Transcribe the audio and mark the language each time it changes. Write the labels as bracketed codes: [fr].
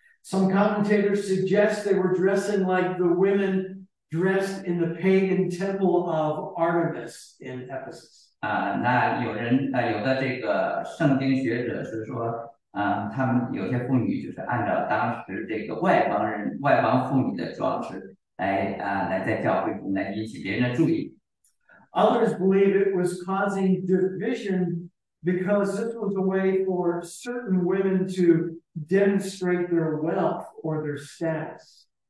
[en] Some commentators suggest they were dressing like the women dressed in the pagan temple of Artemis in Ephesus. [zh] 那有人有的这个圣经学者是说，他们有些妇女就是按照当时这个外邦妇女的装饰来在教会中来引起别人的注意。 [en] Others believe it was causing division because this was a way for certain women to demonstrate their wealth or their status.